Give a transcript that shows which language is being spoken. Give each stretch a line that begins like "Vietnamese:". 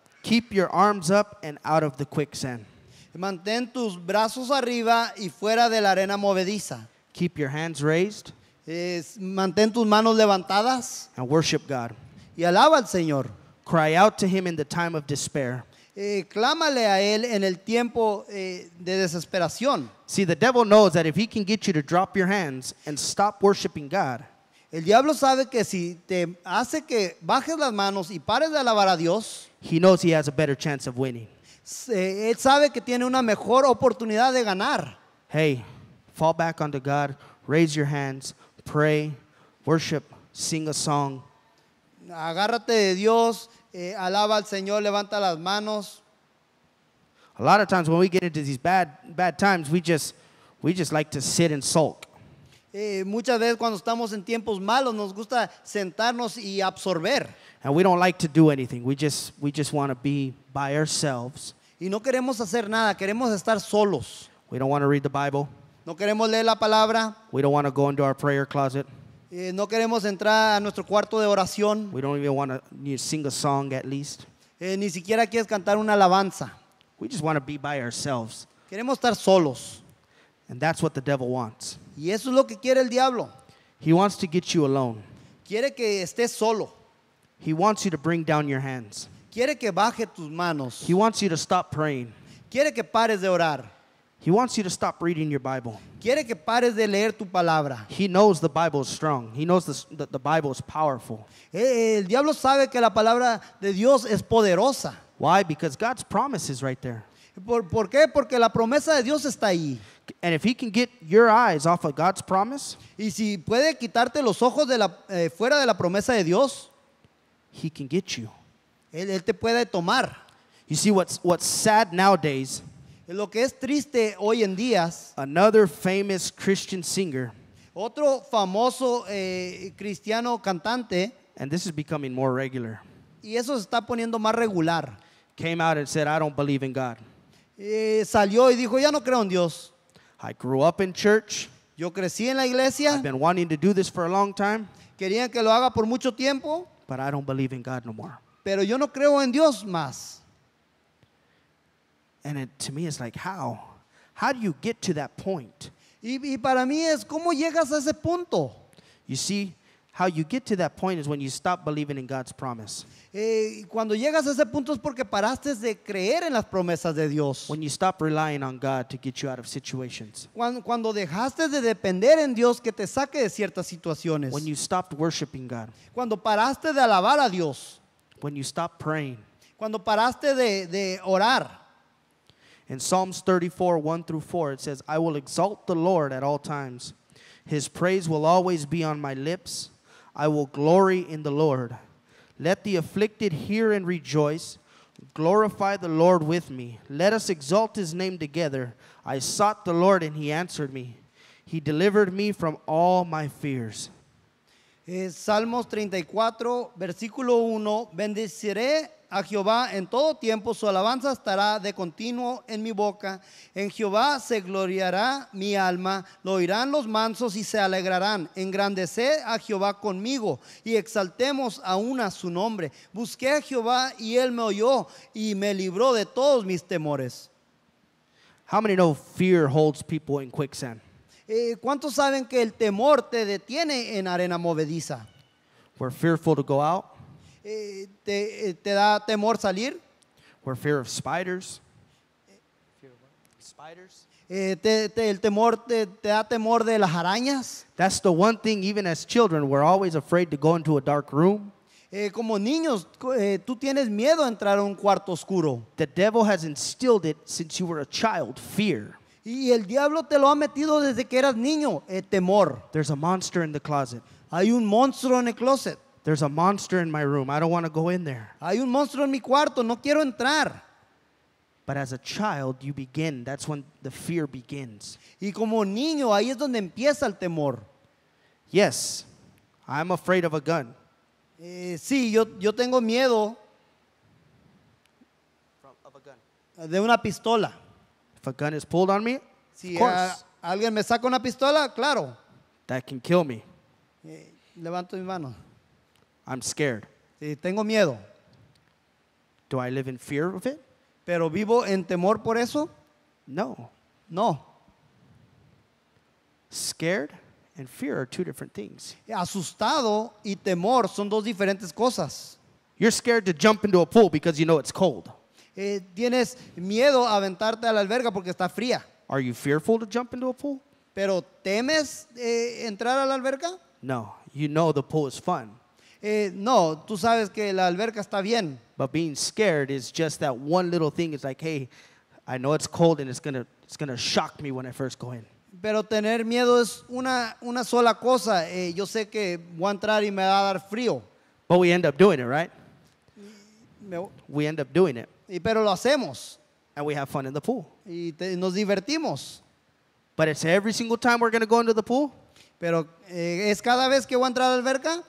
English: Keep your arms up and out of the quicksand.
Spanish: Mantén tus brazos arriba y fuera de la arena movediza.
English: Keep your hands raised.
Spanish: Mantén tus manos levantadas.
English: And worship God.
Spanish: Y alaba al Señor.
English: Cry out to him in the time of despair.
Spanish: Clámale a él en el tiempo de desesperación.
English: See, the devil knows that if he can get you to drop your hands and stop worshiping God.
Spanish: El diablo sabe que si te hace que bajes las manos y pares de alabar a Dios.
English: He knows he has a better chance of winning.
Spanish: Él sabe que tiene una mejor oportunidad de ganar.
English: Hey, fall back onto God. Raise your hands. Pray. Worship. Sing a song.
Spanish: Agárrate de Dios, alaba al Señor, levanta las manos.
English: A lot of times when we get into these bad times, we just like to sit and sulk.
Spanish: Muchas veces cuando estamos en tiempos malos, nos gusta sentarnos y absorber.
English: And we don't like to do anything. We just want to be by ourselves.
Spanish: Y no queremos hacer nada, queremos estar solos.
English: We don't want to read the Bible.
Spanish: No queremos leer la palabra.
English: We don't want to go into our prayer closet.
Spanish: No queremos entrar a nuestro cuarto de oración.
English: We don't even want to sing a song at least.
Spanish: Ni siquiera quieres cantar una alabanza.
English: We just want to be by ourselves.
Spanish: Queremos estar solos.
English: And that's what the devil wants.
Spanish: Y eso es lo que quiere el diablo.
English: He wants to get you alone.
Spanish: Quiere que estés solo.
English: He wants you to bring down your hands.
Spanish: Quiere que baje tus manos.
English: He wants you to stop praying.
Spanish: Quiere que pares de orar.
English: He wants you to stop reading your Bible.
Spanish: Quiere que pares de leer tu palabra.
English: He knows the Bible is strong. He knows the Bible is powerful.
Spanish: El diablo sabe que la palabra de Dios es poderosa.
English: Why? Because God's promise is right there.
Spanish: ¿Por qué? Porque la promesa de Dios está ahí.
English: And if he can get your eyes off of God's promise,
Spanish: y si puede quitarte los ojos de la, fuera de la promesa de Dios,
English: he can get you.
Spanish: Él te puede tomar.
English: You see what's sad nowadays.
Spanish: Lo que es triste hoy en días.
English: Another famous Christian singer.
Spanish: Otro famoso cristiano cantante.
English: And this is becoming more regular.
Spanish: Y eso se está poniendo más regular.
English: Came out and said, I don't believe in God.
Spanish: Salió y dijo, ya no creo en Dios.
English: I grew up in church.
Spanish: Yo crecí en la iglesia.
English: I've been wanting to do this for a long time.
Spanish: Querían que lo haga por mucho tiempo.
English: But I don't believe in God no more.
Spanish: Pero yo no creo en Dios más.
English: And it, to me, it's like, how do you get to that point?
Spanish: Y para mí es cómo llegas a ese punto.
English: You see, how you get to that point is when you stop believing in God's promise.
Spanish: Cuando llegas a ese punto es porque paraste de creer en las promesas de Dios.
English: When you stop relying on God to get you out of situations.
Spanish: Cuando dejaste de depender en Dios que te saque de ciertas situaciones.
English: When you stopped worshiping God.
Spanish: Cuando paraste de alabar a Dios.
English: When you stopped praying.
Spanish: Cuando paraste de orar.
English: In Psalms 34, 1 through 4, it says, I will exalt the Lord at all times. His praise will always be on my lips. I will glory in the Lord. Let the afflicted hear and rejoice. Glorify the Lord with me. Let us exalt his name together. I sought the Lord and he answered me. He delivered me from all my fears.
Spanish: Salmos 34, versículo 1. Bendeciré a Jehová en todo tiempo. Su alabanza estará de continuo en mi boca. En Jehová se gloriará mi alma. Lo oirán los mansos y se alegrarán. Engrandeced a Jehová conmigo y exaltemos aún a su nombre. Busqué a Jehová y él me oyó y me libró de todos mis temores.
English: How many know fear holds people in quicksand?
Spanish: ¿Cuántos saben que el temor te detiene en arena movediza?
English: We're fearful to go out.
Spanish: Te da temor salir.
English: We're fear of spiders. Fear of what? Spiders.
Spanish: El temor te da temor de las arañas.
English: That's the one thing, even as children, we're always afraid to go into a dark room.
Spanish: Como niños, tú tienes miedo a entrar a un cuarto oscuro.
English: The devil has instilled it since you were a child, fear.
Spanish: Y el diablo te lo ha metido desde que eras niño, temor.
English: There's a monster in the closet.
Spanish: Hay un monstruo en el closet.
English: There's a monster in my room. I don't want to go in there.
Spanish: Hay un monstruo en mi cuarto. No quiero entrar.
English: But as a child, you begin. That's when the fear begins.
Spanish: Y como niño, ahí es donde empieza el temor.
English: Yes, I'm afraid of a gun.
Spanish: Sí, yo tengo miedo
English: of a gun.
Spanish: De una pistola.
English: If a gun is pulled on me,
Spanish: si,
English: of course.
Spanish: Alguien me saca una pistola, claro.
English: That can kill me.
Spanish: Levanto mi mano.
English: I'm scared.
Spanish: Sí, tengo miedo.
English: Do I live in fear of it?
Spanish: ¿Pero vivo en temor por eso?
English: No.
Spanish: No.
English: Scared and fear are two different things.
Spanish: Asustado y temor son dos diferentes cosas.
English: You're scared to jump into a pool because you know it's cold.
Spanish: Tienes miedo a aventarte a la alberca porque está fría.
English: Are you fearful to jump into a pool?
Spanish: ¿Pero temes entrar a la alberca?
English: No. You know the pool is fun.
Spanish: No, tú sabes que la alberca está bien.
English: But being scared is just that one little thing. It's like, hey, I know it's cold and it's gonna shock me when I first go in.
Spanish: Pero tener miedo es una sola cosa. Yo sé que voy a entrar y me va a dar frío.
English: But we end up doing it, right? We end up doing it.
Spanish: Y pero lo hacemos.
English: And we have fun in the pool.
Spanish: Y nos divertimos.
English: But it's every single time we're gonna go into the pool.
Spanish: Pero es cada vez que voy a entrar a la alberca.